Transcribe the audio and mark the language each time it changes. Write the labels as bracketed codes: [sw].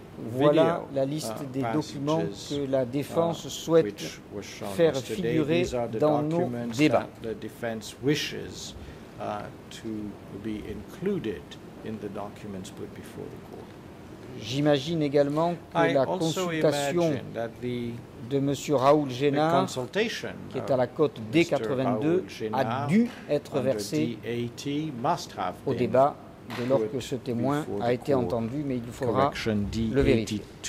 [fr] Voilà la liste des documents que la défense souhaite faire figurer dans nos débats. [en] The defense wishes to be included in the documents put before the court. [fr] J'imagine également que la consultation de M. Raoul Génard, qui est à la cote D82, a dû être versée au débat. Dès lors que ce témoin a été entendu, mais il faudra le vérifier.